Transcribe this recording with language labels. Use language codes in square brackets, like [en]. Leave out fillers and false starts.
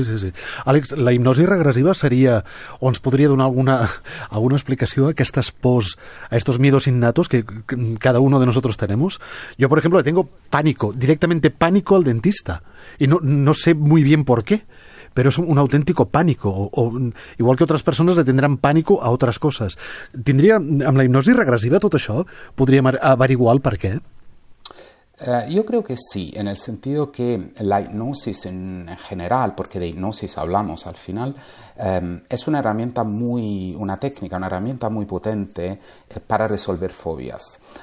[ca] Sí. Àlex, la hipnosi regressiva seria, o ens podria donar alguna explicació a aquestes pors, a [es] estos miedos innatos que cada uno de nosotros tenemos. Yo, por ejemplo, le tengo pánico, directamente pánico al dentista. Y no sé muy bien por qué, pero es un auténtico pánico. O igual que otras persones le tendran pánico a otras coses. [ca] Tindria, amb la hipnosi regressiva tot això, podríem averiguar el per què. [es] Yo creo que sí, en el sentido que la hipnosis en general, porque de hipnosis hablamos al final, es una herramienta muy, una técnica, una herramienta muy potente para resolver fobias.